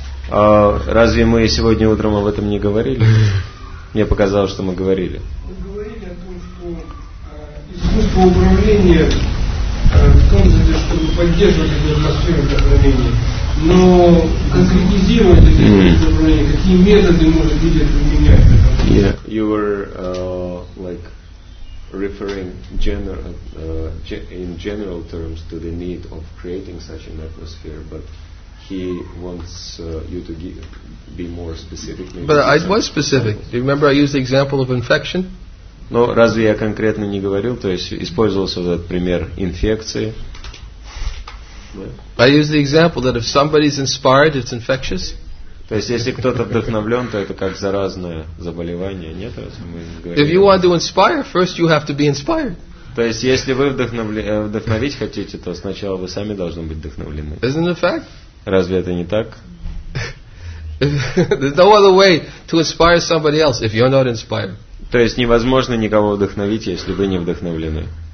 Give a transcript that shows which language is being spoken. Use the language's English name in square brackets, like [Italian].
[Russian] Разве мы сегодня утром об этом не говорили? Мне показалось, что мы говорили. Вы говорили о том, что искусство управления в том числе, чтобы поддерживать эту атмосферу вдохновения. Но конкретизировать это управление, какие методы может быть это применять? [English] Yeah. You were like referring in general terms to the need of creating such an atmosphere, but he wants you to be more specific. But I was specific. Do you remember I used the example of infection? [Russian] Но разве я конкретно не говорил, то есть использовался этот пример инфекции? [English] I used the example that if somebody is inspired, it's infectious. [Russian] То есть если кто-то вдохновлен, то это как заразное заболевание, нет? [English] If you want to inspire, first you have to be inspired. [Russian] То есть если вы вдохновить хотите, то сначала вы сами должны быть вдохновлены. [English] Isn't it a fact? [Russian] Разве это не так? [English] There's no other way to inspire somebody else if you're not inspired. [Russian] То есть невозможно никого вдохновить, если вы не вдохновлены.